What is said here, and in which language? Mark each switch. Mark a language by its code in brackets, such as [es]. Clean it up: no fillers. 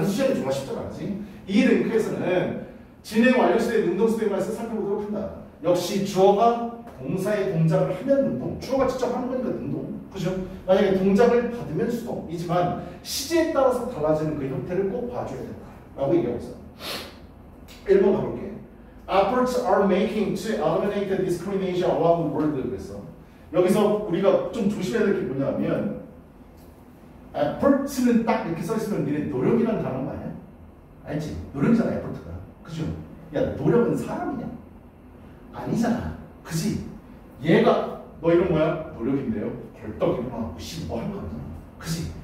[ko] 단수시험 정말 쉽잖아, 그치? 이 랭크에서는 진행 완료시의 능동수동에서 살펴보도록 한다. 역시 주어가 동사의 동작을 하면 능동. 주어가 직접 하는 거니까 능동. 그죠? 만약에 동작을 받으면 수동이지만 시제에 따라서 달라지는 그 형태를 꼭 봐줘야 된다. 라고 얘기하고 있어. 1번 가볼게. [en] Efforts are making to eliminate the discrimination along the world. [ko] 그래서 여기서 우리가 좀 조심해야 될 게 뭐냐면 effort는 딱 이렇게 써있으면 니네 노력이란 단어가 아니야? 알지? 노력이잖아, effort가. 그죠? 야, 노력은 사람이냐? 아니잖아. 그지? 얘가 너 이름 뭐야? 노력인데요? 벌떡이구나. 씨, 뭐 할 거 같잖아. 그지?